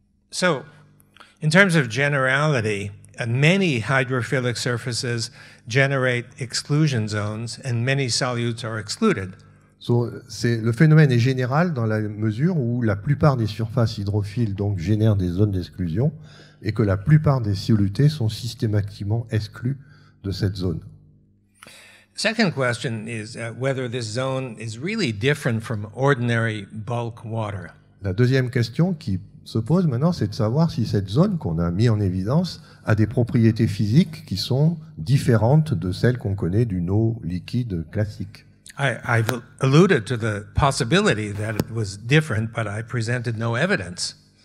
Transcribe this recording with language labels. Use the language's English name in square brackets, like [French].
[English] So, in terms of generality, many hydrophilic surfaces generate exclusion zones, and many solutes are excluded. [French] So, le phénomène est général dans la mesure où la plupart des surfaces hydrophiles donc génèrent des zones d'exclusion, et que la plupart des solutés sont systématiquement exclus de cette zone. [English] Second question is whether this zone is really different from ordinary bulk water. [French] La deuxième question qui se pose maintenant, c'est de savoir si cette zone qu'on a mis en évidence a des propriétés physiques qui sont différentes de celles qu'on connaît d'une eau liquide classique. [English] I've alluded to the possibility that it was different, but I presented no evidence.